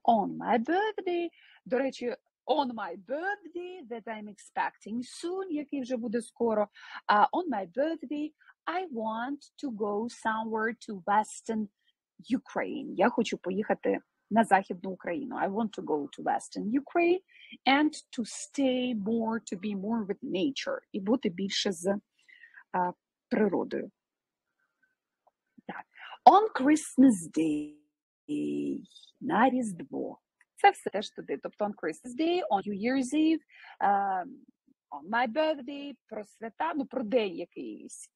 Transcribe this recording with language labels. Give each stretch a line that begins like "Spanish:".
English: On my birthday,
Ukrainian: до речі,
English: on my birthday that I'm expecting soon,
Ukrainian: який вже буде скоро.
English: On my birthday, I want to go somewhere to Western Ukraine.
Ukrainian: Я хочу поїхати на Західну Україну.
English: I want to go to Western Ukraine and to stay more, to be more with nature.
Ukrainian: І бути більше з природою. Так.
English: On Christmas Day.
Ukrainian: На Різдво. Це все теж туди. Тобто
English: on Christmas Day, on New Year's Eve, on my birthday,
Ukrainian: про свята, ну про день якийсь.